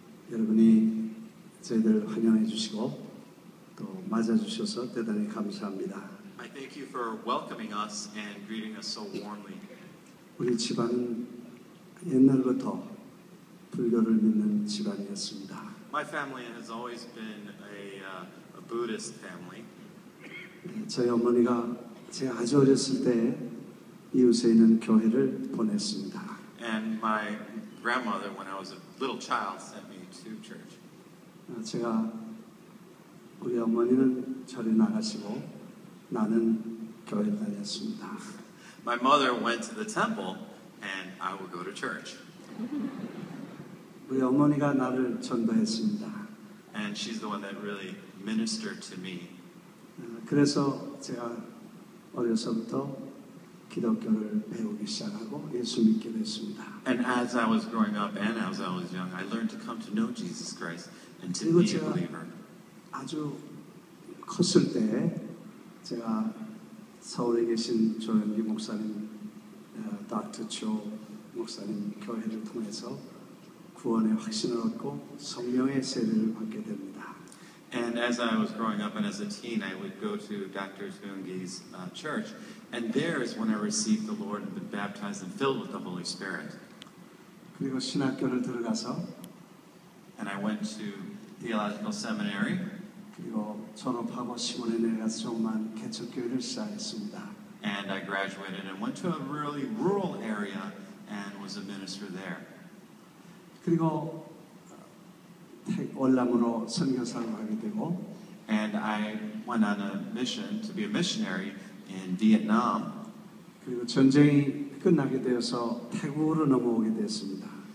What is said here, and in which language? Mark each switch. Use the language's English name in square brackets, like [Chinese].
[Korean] 여러분이 저희들 환영해 주시고 또 맞아주셔서 대단히 감사합니다. [English] I thank you for welcoming us and greeting us so warmly. [Korean] 우리 집안은 옛날부터 불교를 믿는 집안이었습니다. [English] My family has always been a Buddhist family. [Korean] 네, 저희 어머니가 제가 아주 어렸을 때 이웃에 있는 교회를 보냈습니다. [English] And my grandmother, when I was a little child, sent me to church. [Korean] 제가 우리 어머니는 절에 나가시고 나는 교회 다녔습니다. [English] My mother went to the temple, and I would go to church. [Korean] 우리 어머니가 나를 전도했습니다. [English] And she's the one that really ministered to me. [Korean] 그래서 제가 어려서부터 기독교를 배우기 시작하고 예수 믿게 됐습니다. [English] And as I was growing up and as I was young, I learned to come to know Jesus Christ and to be a believer. [Korean] 그리고 제가 아주 컸을 때 제가 서울에 계신 조영기 목사님, Dr. Cho 목사님 교회를 통해서 구원의 확신을 얻고 성령의 세례를 받게 됩니다. [English] And as I was growing up and as a teen, I would go to Dr. Joongi's church. And there is when I received the Lord and been baptized and filled with the Holy Spirit. [Korean] 그리고 신학교를 들어가서 [English] And I went to theological seminary. [Korean] 그리고 졸업하고 시골에 내려가서 조그만 개척교회를 시작했습니다. [English] And I graduated and went to a really rural area and was a minister there. [Korean] 그리고 월남으로 선교사로 가게 되고 [English] And I went on a mission to be a missionary in Vietnam. [Korean] 그리고 전쟁이 끝나게 되어서 태국으로 넘어오게 됐습니다.